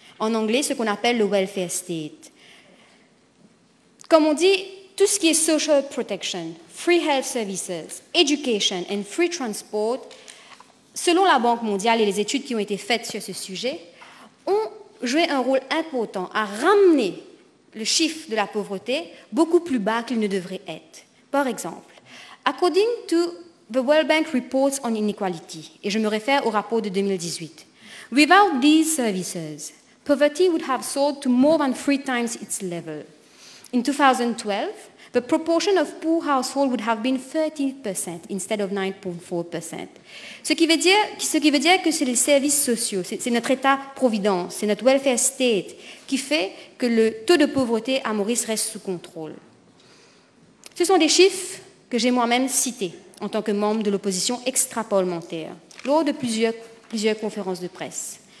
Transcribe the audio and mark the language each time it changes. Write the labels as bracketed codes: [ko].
[fr] En anglais, ce qu'on appelle le welfare state. Comme on dit, tout ce qui est [en] social protection, free health services, education and free transport, [fr] selon la Banque mondiale et les études qui ont été faites sur ce sujet, ont joué un rôle important à ramener le chiffre de la pauvreté beaucoup plus bas qu'il ne devrait être. Par exemple, [en] according to the World Bank Reports on Inequality, [fr] et je me réfère au rapport de 2018, [en] without these services, poverty would have soared to more than three times its level. In 2012, the proportion of poor households would have been 30% instead of 9.4%. [fr] Ce qui veut dire que c'est les services sociaux, c'est notre état-providence, c'est notre welfare state qui fait que le taux de pauvreté à Maurice reste sous contrôle. Ce sont des chiffres que j'ai moi-même cités en tant que membre de l'opposition extra-parlementaire lors de plusieurs conférences de presse.